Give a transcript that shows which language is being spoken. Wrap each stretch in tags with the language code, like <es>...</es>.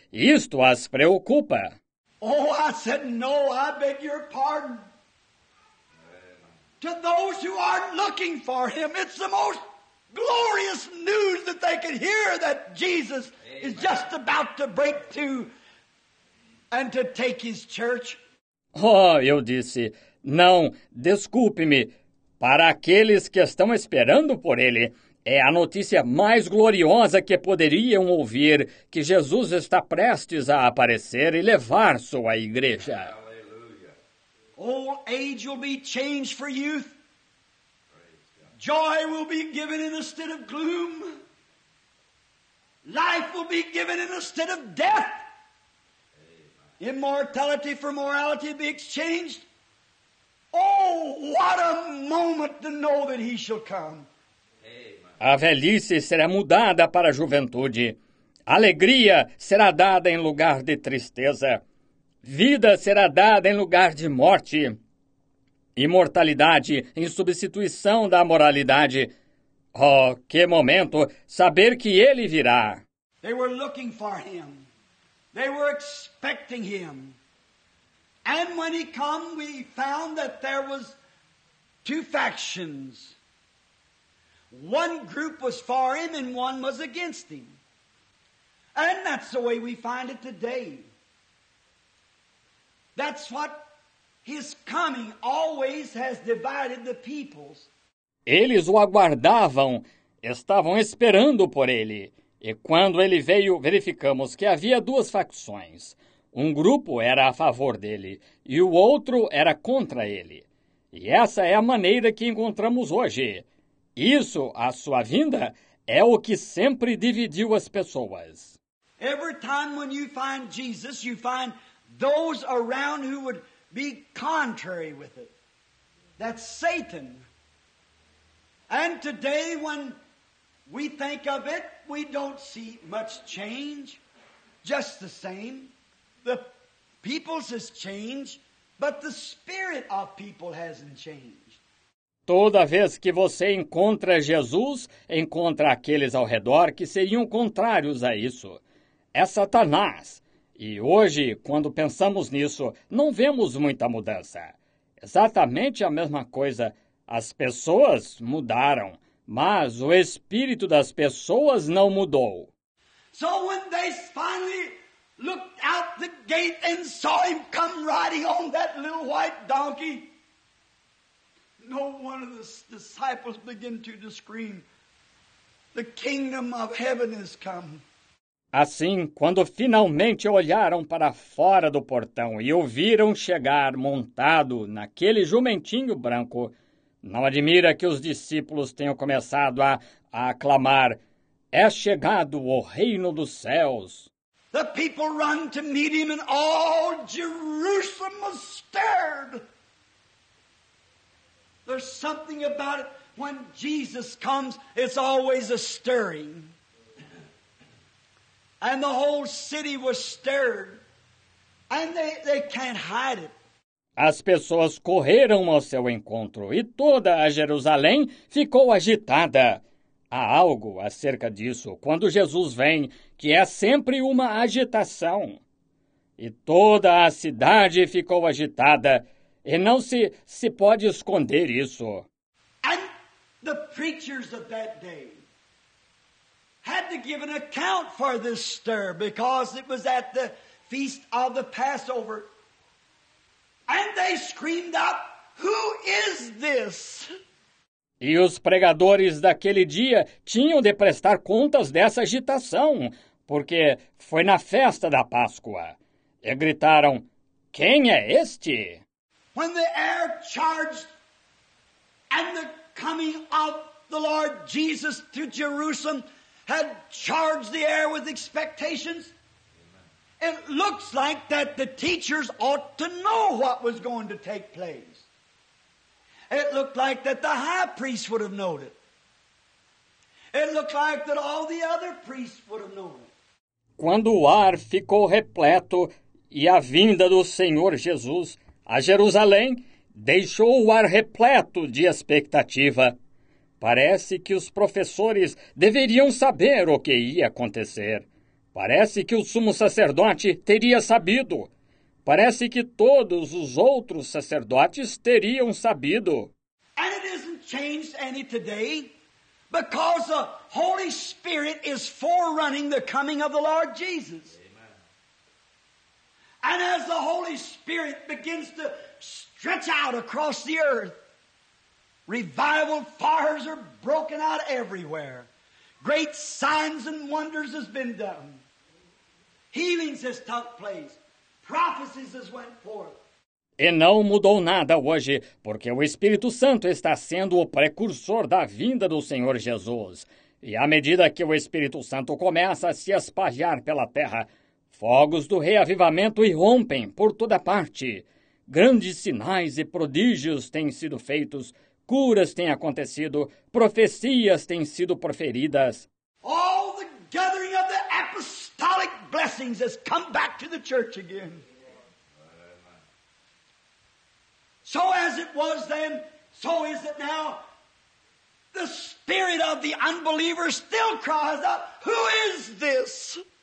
<pt>Isto as preocupa.</pt> <en>Oh, I said, no, I beg your pardon. To those who aren't looking for him, it's the most glorious news that they can hear that Jesus is just about to break through and to take his church.</en> <pt>Oh, eu disse, não, desculpe-me. Para aqueles que estão esperando por ele, é a notícia mais gloriosa que poderiam ouvir, que Jesus está prestes a aparecer e levar sua igreja.</pt> <en>Old age will be changed for youth. Joy will be given instead of gloom. Life will be given instead of death. Immortality for morality be exchanged. Oh, what a moment to know that he shall come.</en> <pt>A velhice será mudada para a juventude. Alegria será dada em lugar de tristeza. Vida será dada em lugar de morte. Imortalidade em substituição da moralidade. Oh, que momento saber que ele virá.</pt> <en>They were looking for him. They were expecting him. And when he came, we found that there was two factions. One group was for him and one was against him. And that's the way we find it today. That's what his coming always has divided the peoples.</en> <pt>Eles o aguardavam, estavam esperando por ele. E quando ele veio, verificamos que havia duas facções. Um grupo era a favor dele e o outro era contra ele. E essa é a maneira que encontramos hoje. Isso, a sua vinda, é o que sempre dividiu as pessoas.</pt> <en>Every time when you find Jesus, you find those around who would be contrary with it. That's Satan. And today when we think of it, we don't see much change. Just the same. The peoples has changed, but the spirit of people hasn't changed.</en> <pt>Toda vez que você encontra Jesus, encontra aqueles ao redor que seriam contrários a isso. É Satanás. E hoje, quando pensamos nisso, não vemos muita mudança. Exatamente a mesma coisa. As pessoas mudaram, mas o espírito das pessoas não mudou.</pt> <en>So when they finally looked out the gate and saw him come riding on that little white donkey, no one of the disciples began to scream, "The kingdom of heaven has come."</en> <pt>Assim, quando finalmente olharam para fora do portão e o viram chegar montado naquele jumentinho branco, não admira que os discípulos tenham começado a aclamar, "É chegado o reino dos céus."</pt> <en>The people run to meet him and all Jerusalem was stirred. There's something about it. When Jesus comes, it's always a stirring. And the whole city was stirred. And they can't hide it.</en> <pt>As pessoas correram ao seu encontro e toda a Jerusalém ficou agitada. Há algo acerca disso quando Jesus vem, que é sempre uma agitação. E toda a cidade ficou agitada e não se pode esconder isso.</pt> <en>And the preachers of that day had to give an account for this stir because it was at the feast of the Passover. And they screamed out, "Who is this?"</en> <pt>E os pregadores daquele dia tinham de prestar contas dessa agitação, porque foi na festa da Páscoa. E gritaram, "Quem é este?"</pt> <en>When the air charged and the coming of the Lord Jesus to Jerusalem had charged the air with expectations, it looks like that the teachers ought to know what was going to take place. It looked like that the high priest would have known it. It looked like that all the other priests would have known it.</en> <pt>Quando o ar ficou repleto e a vinda do Senhor Jesus a Jerusalém, deixou o ar repleto de expectativa. Parece que os professores deveriam saber o que ia acontecer. Parece que o sumo sacerdote teria sabido. Parece que todos os outros sacerdotes teriam sabido.</pt> <en>And it hasn't changed any today, because the Holy Spirit is forerunning the coming of the Lord Jesus. And as the Holy Spirit begins to stretch out across the earth, revival fires are broken out everywhere. Great signs and wonders has been done. Healings has took place. Prophecies has went forth.</en> <pt>E não mudou nada hoje, porque o Espírito Santo está sendo o precursor da vinda do Senhor Jesus. E à medida que o Espírito Santo começa a se espalhar pela terra, fogos do reavivamento irrompem por toda parte. Grandes sinais e prodígios têm sido feitos, curas têm acontecido, profecias têm sido proferidas.</pt> <en>All the gathering of the apostolic blessings has come back to the church again. So as it was then, so is it now. The spirit of the unbeliever still cries out, "Who is this?"</en>